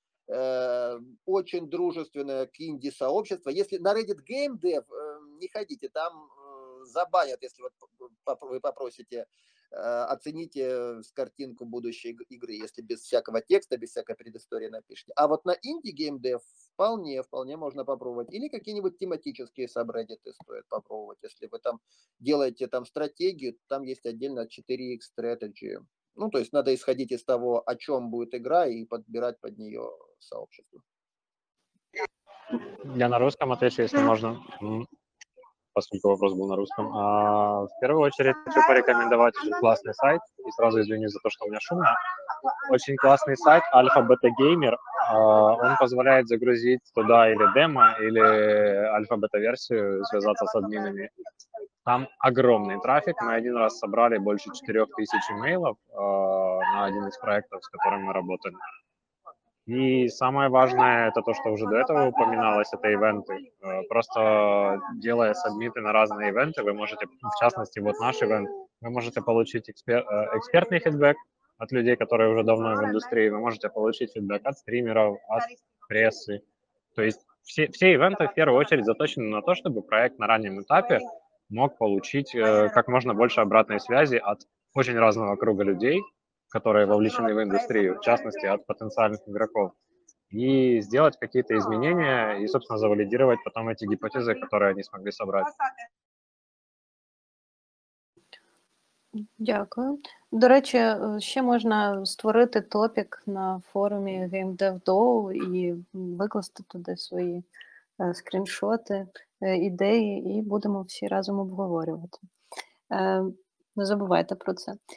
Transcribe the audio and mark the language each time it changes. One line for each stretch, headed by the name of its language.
Russian: Очень дружественное к инди-сообщество. Если на Reddit Game Dev не ходите, там забанят, если вот вы попросите, оцените картинку будущей игры, если без всякого текста, без всякой предыстории напишите. А вот на Indie Game Dev вполне можно попробовать. Или какие-нибудь тематические сабреддиты стоит попробовать. Если вы там делаете там стратегию, там есть отдельно 4X Strategy. Ну, то есть надо исходить из того, о чем будет игра, и подбирать под нее сообщество. Я на русском отвечу, если можно. Поскольку вопрос был на русском. А в первую очередь хочу порекомендовать очень классный сайт. И сразу извини за то, что у меня шумно. Очень классный сайт Alpha Beta Gamer. Он позволяет загрузить туда или демо, или Alpha Beta версию, связаться с админами. Там огромный трафик. Мы один раз собрали больше 4000 имейлов на один из проектов, с которым мы работали. И самое важное, это то, что уже до этого упоминалось, это ивенты. Просто делая сабмиты на разные ивенты, вы можете, в частности, вот наш ивент, вы можете получить экспертный фидбэк от людей, которые уже давно в индустрии, вы можете получить фидбэк от стримеров, от прессы. То есть все ивенты в первую очередь заточены на то, чтобы проект на раннем этапе мог получить как можно больше обратной связи от очень разного круга людей, которые вовлечены в индустрию, в частности, от потенциальных игроков, и сделать какие-то изменения и, собственно, завалидировать потом эти гипотезы, которые они смогли собрать.
Ukrainian: Дякую. До речі, ще можна створити топік на форумі GameDevDAO і викласти туди свої скріншоти, ідеї, і будемо всі разом обговорювати. Не забувайте про це.